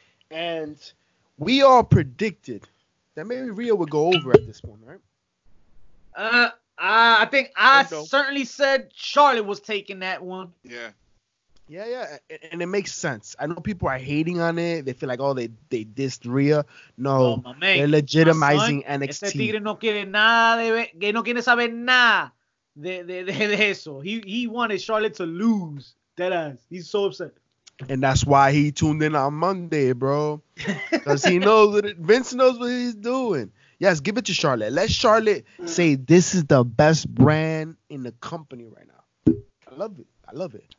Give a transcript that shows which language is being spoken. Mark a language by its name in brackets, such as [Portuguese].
[English] And we all predicted that maybe Rhea would go over at this point, right? I certainly said Charlotte was taking that one. Yeah. And it makes sense. I know people are hating on it. They feel like, oh, they dissed Rhea. No, they're legitimizing NXT. [Spanish] Este tigre no quiere nada, que no quiere saber nada de eso. [English] He wanted Charlotte to lose. Deadass. He's so upset. And that's why he tuned in on Monday, bro. Because he knows that Vince knows what he's doing. Yes, give it to Charlotte. Let Charlotte say this is the best brand in the company right now. I love it.